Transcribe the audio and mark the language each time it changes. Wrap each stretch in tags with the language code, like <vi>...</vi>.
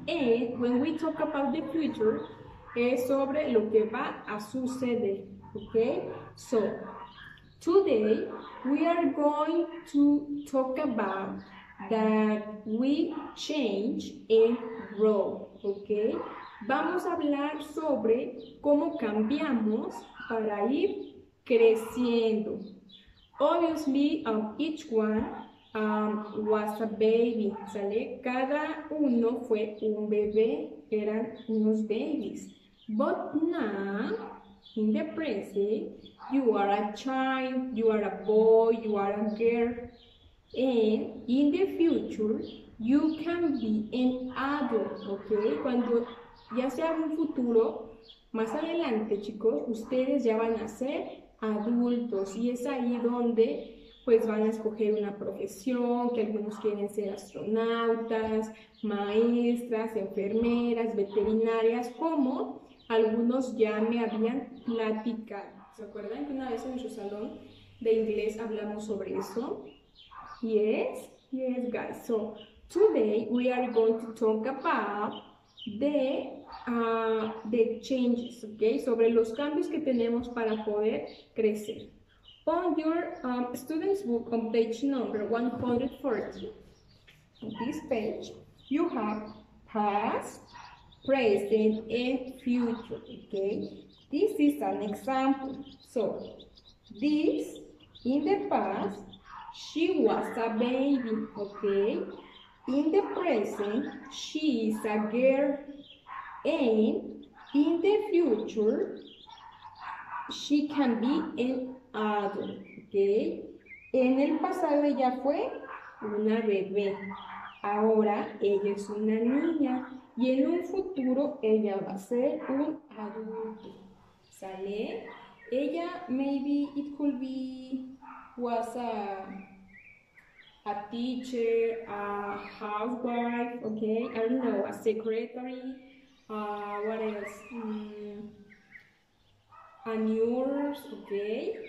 <en>And when we talk about the future,</en> <es>es sobre lo que va a suceder.</es> <en>Okay? So, today we are going to talk about that we change and grow. Okay?</en> <es>Vamos a hablar sobre cómo cambiamos para ir creciendo.</es> <en>Obviously, each one was a baby, ¿sale?</en> <es>Cada uno fue un bebé, eran unos babies.</es> <en>But now, in the present, you are a child, you are a boy, you are a girl. And in the future, you can be an adult, ¿okay?</en> <es>Cuando ya sea un futuro, más adelante, chicos, ustedes ya van a ser adultos, y es ahí donde pues van a escoger una profesión, que algunos quieren ser astronautas, maestras, enfermeras, veterinarias, como algunos ya me habían platicado. ¿Se acuerdan que una vez en nuestro salón de inglés hablamos sobre eso?</es> <en>Yes, yes, guys. So, today we are going to talk about the changes, okay?</en> <es>Sobre los cambios que tenemos para poder crecer.</es> <en>On your student's book on page number 140, on this page, you have past, present, and future, okay? This is an example. So, this, in the past, she was a baby, okay? In the present, she is a girl. And in the future, she can be an adult, okay?</en> <es>En el pasado ella fue una bebé. Ahora ella es una niña. Y en un futuro ella va a ser un adulto. ¿Sale?</es> <en>Ella, maybe it could be, was a teacher, a housewife, okay? I don't know, a secretary. What else? A nurse, okay?</en>